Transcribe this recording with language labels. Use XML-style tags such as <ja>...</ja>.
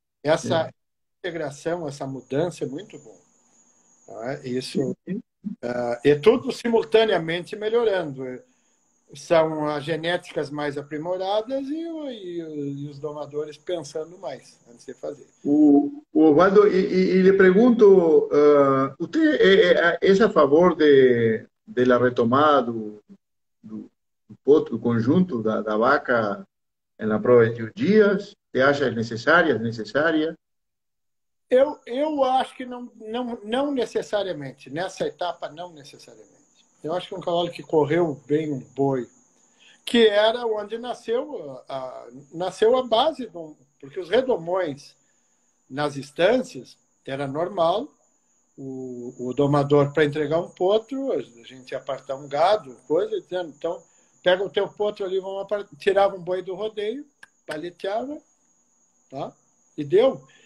<pt>essa integração, essa mudança é muito bom. Isso. E tudo simultaneamente melhorando. São as genéticas mais aprimoradas e os domadores pensando mais antes de fazer.</pt> <es>Osvaldo, y le pregunto, ¿usted es a favor de la</es> <pt>retomada do potro, do conjunto da vaca</pt> <es>en la prueba de 21 días? ¿Te acha necesaria? ¿Necesaria?</es> <pt>Eu acho que não necessariamente, nessa etapa não necessariamente. Eu acho que um cavalo que correu bem um boi, que era onde nasceu a base, porque os redomões nas estâncias era normal, o domador para entregar um potro, a gente ia apartar um gado, coisa, dizendo, então pega o teu potro ali, tirava um boi do rodeio, paleteava, tá? E deu.</pt>